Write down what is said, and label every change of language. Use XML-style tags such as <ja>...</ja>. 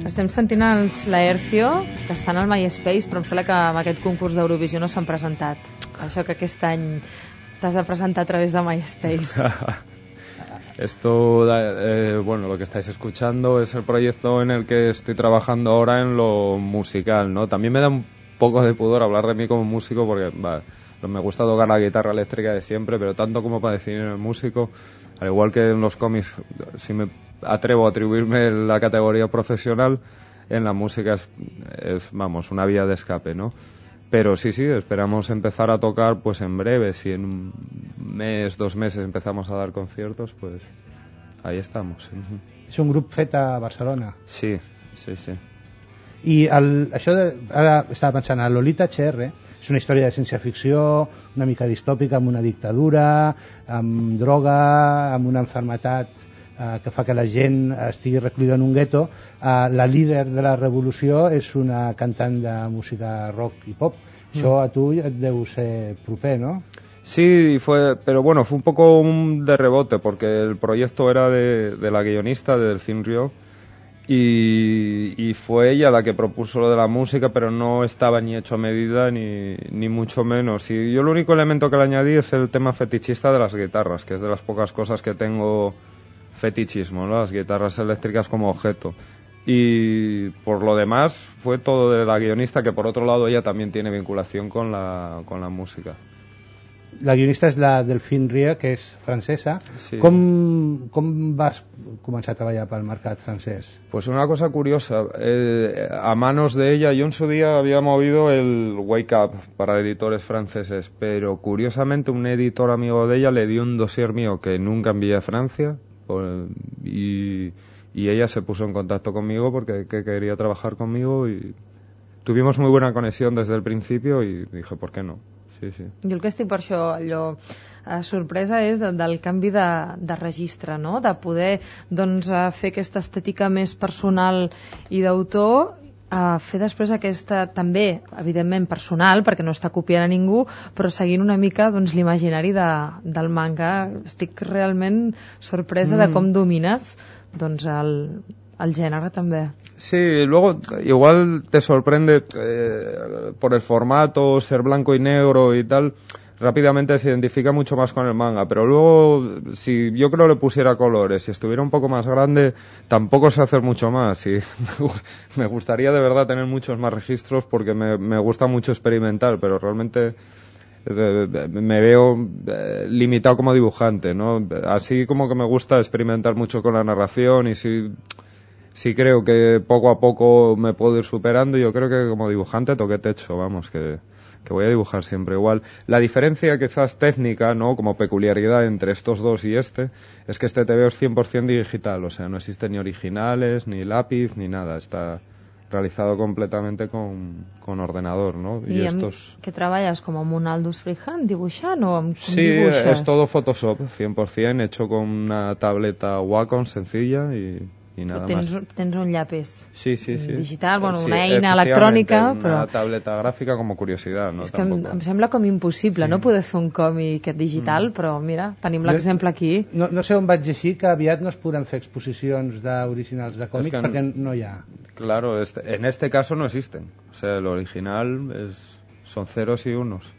<ca>Sentint els Laercio, que estan al MySpace, però em sembla que amb aquest concurs d'Eurovisió no s'han presentat. Això que aquest any t'has de presentar a través de MySpace.</ca> <es>Esto, bueno, lo que estáis escuchando es el proyecto en el que estoy trabajando ahora en lo musical, ¿no? También me da un poco de pudor hablar de mí como músico porque, bueno, me gusta tocar la guitarra eléctrica de siempre, pero tanto como para definir el músico, al igual que en los cómics, si me atrevo a atribuirme la categoría profesional, en la música es vamos, una vía de escape, ¿no? Pero sí, sí, esperamos empezar a tocar pues en breve. Si en un mes, dos meses empezamos a dar conciertos, pues ahí estamos.</es> <ca>És un grup fet a Barcelona. Sí, sí, sí. I el, això de, ara estava pensant a Lolita HR, és una història de ciència-ficció, una mica distòpica, amb una dictadura, amb droga, amb una enfermetat que fa que la gent estigui recluïda en un gueto. La líder de la revolució és una cantant de música rock i pop. Això a tu et deu ser proper, no?</ca> <es>Sí, fue, pero bueno, fue un poco de rebote, porque el proyecto era de la guionista, de Delphine Rio, y fue ella la que propuso lo de la música, pero no estaba ni hecho a medida, ni mucho menos. Y yo el único elemento que le añadí es el tema fetichista de las guitarras, que es de las pocas cosas que tengo fetichismo, ¿no? Las guitarras eléctricas como objeto. Y por lo demás, fue todo de la guionista, que por otro lado ella también tiene vinculación con la música.</es> <ca>La guionista és la Delphine Rieu, que és francesa. Sí. Com vas començar a treballar pel mercat francès?</ca> <es>Pues una cosa curiosa, a manos de ella, yo en su día había movido el Wake Up para editores franceses, pero curiosamente un editor amigo de ella le dio un dossier mío que nunca envié a Francia, y ella se puso en contacto conmigo porque que quería trabajar conmigo, y tuvimos muy buena conexión desde el principio y dije, ¿por qué no? Sí, sí.</es> <ca>Jo el que estic per això allò, sorpresa és del canvi de registre, no? De poder doncs, fer aquesta estètica més personal i d'autor, fer després aquesta també, evidentment, personal, perquè no està copiant a ningú, però seguint una mica doncs, l'imaginari del manga. Estic realment sorpresa de com domines doncs, el gènere també.</ca> <es>Sí, luego igual te sorprende por el formato, ser blanco y negro y tal, rápidamente se identifica mucho más con el manga, pero luego si yo creo le pusiera colores, si estuviera un poco más grande, tampoco sé hacer mucho más y me gustaría de verdad tener muchos más registros porque me gusta mucho experimentar, pero realmente me veo limitado como dibujante, ¿no? Así como que me gusta experimentar mucho con la narración y sí, creo que poco a poco me puedo ir superando. Yo creo que como dibujante toqué techo, vamos, que voy a dibujar siempre igual. La diferencia quizás técnica, ¿no?, como peculiaridad entre estos dos y este, es que este TVO es 100% digital, o sea, no existe ni originales, ni lápiz, ni nada. Está realizado completamente con ordenador, ¿no? ¿Y estos...</es> <ca>que treballes com amb un Aldus Freehand dibuixant o amb... Sí, dibuixes?</ca> <es>Es todo Photoshop, 100%, hecho con una tableta Wacom sencilla y...</es> <ca>Tens un llapis. Sí, sí, sí. Digital, bueno, una sí, eina electrònica, però una tableta gràfica com a curiositat, no? És que em sembla com impossible, sí. No poder fer un còmic digital, però mira, tenim l'exemple aquí. No sé on vaig llegir que aviat no es podran fer exposicions d'originals de còmic perquè no hi ha.</ca> <es>Claro, en este caso no existen.</es> <ca>O sea, l'original és són ceros i unos.</ca>